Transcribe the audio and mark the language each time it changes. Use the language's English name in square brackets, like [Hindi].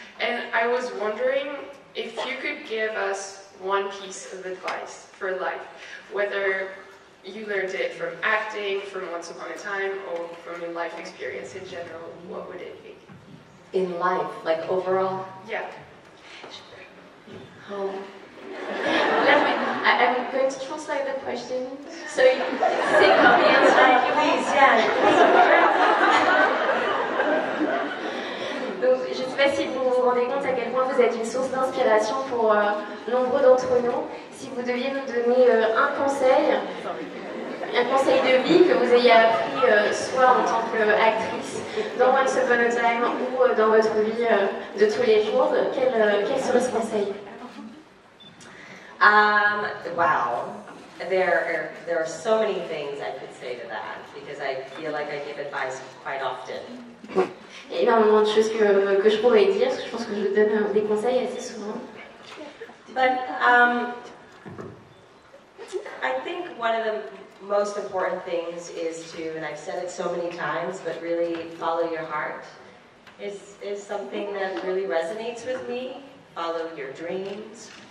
[English] And I was wondering if you could give us one piece of advice for life, whether you learned it from acting, from Once Upon a Time, or from your life experience in general, what would it be? In life, like overall? Yeah. Oh. I'm going to translate the question so you can think of the answer. Please, yeah. [French] Je ne sais pas si vous vous rendez compte à quel point vous êtes une source d'inspiration pour nombreux d'entre nous. Si vous deviez nous donner un conseil de vie que vous ayez appris soit en tant qu'actrice dans Once Upon a Time ou dans votre vie de tous les jours, quel serait ce conseil? [English] Wow. There are so many things I could say to that because I feel like I give advice quite often. [French] Il y a énormément de choses que je pourrais dire, parce que je pense que je donne des conseils assez souvent. [English] But I think one of the most important things is to, and I've said it so many times, but really follow your heart. Is something that really resonates with me. Follow your dreams.